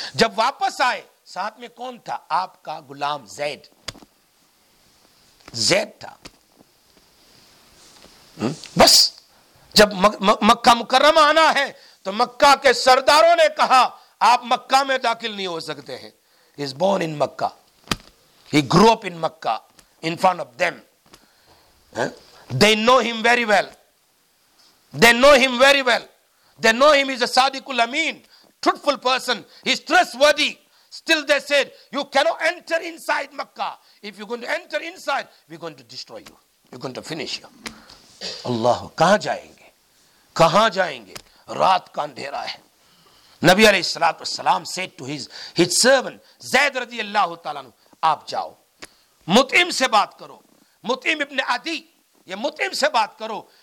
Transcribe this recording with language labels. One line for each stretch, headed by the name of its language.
Urdu: جب واپس آئے ساتھ میں کون تھا؟ آپ کا غلام زید, زید تھا. بس جب مکہ مکرم آنا ہے تو مکہ کے سرداروں نے کہا آپ مکہ میں داخل نہیں ہو سکتے ہیں.
English: He is born in Mecca, he grew up in Mecca in front of them, they know him very well, they know him very well, they know him is a sadiqul amin, truthful person, he is trustworthy. Still they said you cannot enter inside Mecca, if you're going to enter inside we're going to destroy you, we're going to finish you.
Urdu: اللہ, کہاں جائیں گے, کہاں جائیں گے؟ رات کا اندھیرا ہے. نبی علیہ الصلوۃ والسلام
English: said to his servant
Urdu: زید رضی اللہ تعالیٰ عنہ, آپ جاؤ مطعم سے بات کرو, مطعم ابن عدی, یہ مطعم سے بات کرو.